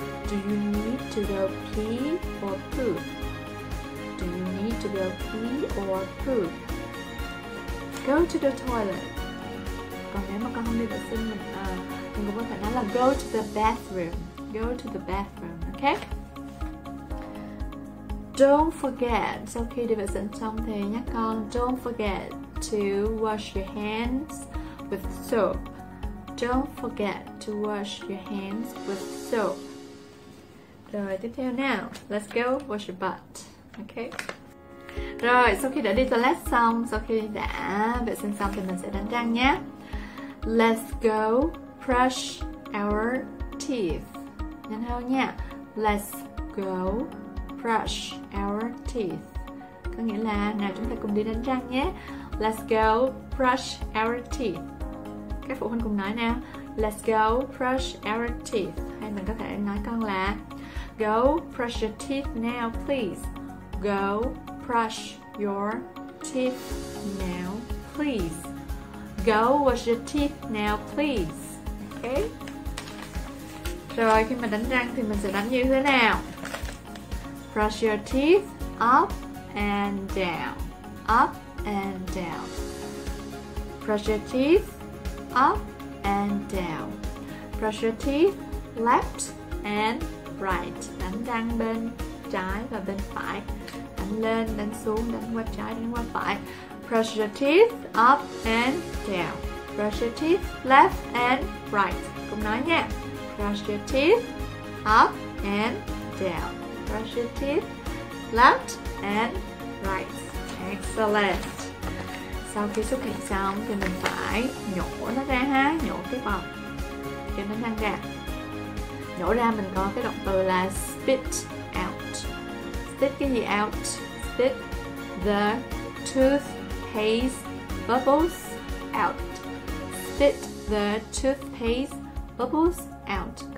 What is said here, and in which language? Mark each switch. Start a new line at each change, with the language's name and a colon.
English: Do you need to go pee or poop? Do you need to go pee or poop? Go to the toilet.
Vietnamese: Còn nếu mà con không đi vệ sinh mình cũng có thể nói là
English: go to the bathroom. Go to the bathroom, ok? Don't forget,
Vietnamese: sau khi đi vệ sinh xong thì nhắc con,
English: don't forget to wash your hands with soap. Don't forget to wash your hands with soap.
Vietnamese: Rồi, tiếp theo nào,
English: let's go wash your butt, ok?
Vietnamese: Rồi, sau khi đã đi toilet xong, sau khi đã vệ sinh xong thì mình sẽ đánh răng nhé.
English: Let's go brush our teeth.
Vietnamese: Nhanh hơn nha.
English: Let's go brush our teeth.
Vietnamese: Có nghĩa là nào chúng ta cùng đi đánh răng nhé.
English: Let's go brush our teeth.
Vietnamese: Các phụ huynh cùng nói nào.
English: Let's go brush our teeth.
Vietnamese: Hay mình có thể nói con là
English: go brush your teeth now please. Go brush your teeth now please. Go wash your teeth now please. Okay.
Vietnamese: Rồi khi mà đánh răng thì mình sẽ đánh như thế nào?
English: Brush your teeth up and down. Up and down. Brush your teeth up and down. Brush your teeth left and right.
Vietnamese: Đánh răng bên trái và bên phải. Đánh lên, đánh xuống, đánh qua trái, đánh qua phải.
English: Brush your teeth up and down. Brush your teeth left and right.
Vietnamese: Cùng nói nha.
English: Brush your teeth up and down. Brush your teeth left and right. Excellent.
Vietnamese: Sau khi xúc miệng xong thì mình phải nhổ nó ra ha, nhổ cái bọt cho nó răng ra. Nhổ ra mình có cái động từ là spit out. Spit cái gì out?
English: Spit the toothpaste bubbles out. Spit the toothpaste bubbles out.